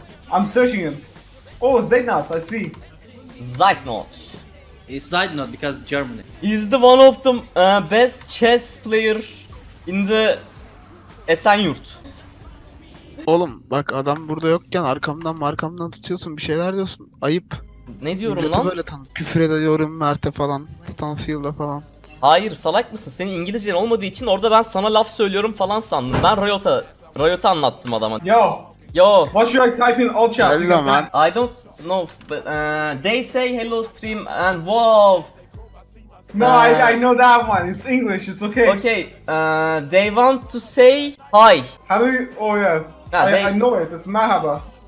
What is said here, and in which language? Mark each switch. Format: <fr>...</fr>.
<en>I'm searching him. Oh, Zeidnot, I see. Zeidnot. It's Zeidnot because Germany. He's the one of the best chess player in the Esenyurt.</en> <tr>Oğlum bak, adam burada yokken arkamdan tutuyorsun, bir şeyler diyorsun. Ayıp. Ne diyorum lan? Böyle tam küfür ediyorum Mert'e falan. Stansfield'a falan. Hayır, salak mısın? Senin İngilizcen olmadığı için orada ben sana laf söylüyorum falan sandım. Ben Riot'a anlattım adama. Yo. Yo.</tr> <en>What should I type in all chat? Hello man. I don't know, but they say hello stream and wow. No, I know that one. It's English. It's okay. Okay. They want to say hi. How do you? Oh yeah. I know it. It's merhaba.</en>